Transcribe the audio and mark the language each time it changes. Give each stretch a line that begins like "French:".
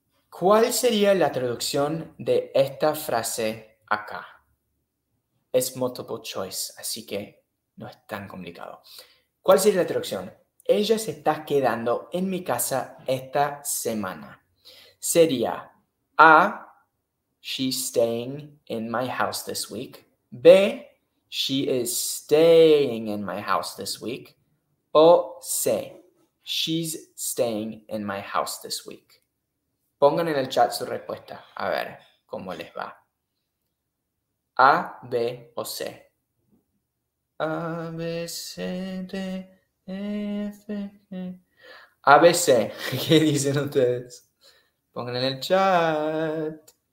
Spanish: ¿Cuál sería la traducción de esta frase acá? Es multiple choice, así que no es tan complicado. ¿Cuál sería la traducción? Ella se está quedando en mi casa esta semana.
English: Sería A, she's staying in my house this week. B, she is staying in my house this week. O C, she's staying in my house this week.
Spanish: Pongan en el chat su respuesta, a ver cómo les va. A, B o C. A, B, C, D, F, G. A, B, C. ¿Qué dicen ustedes? Pongan en el chat.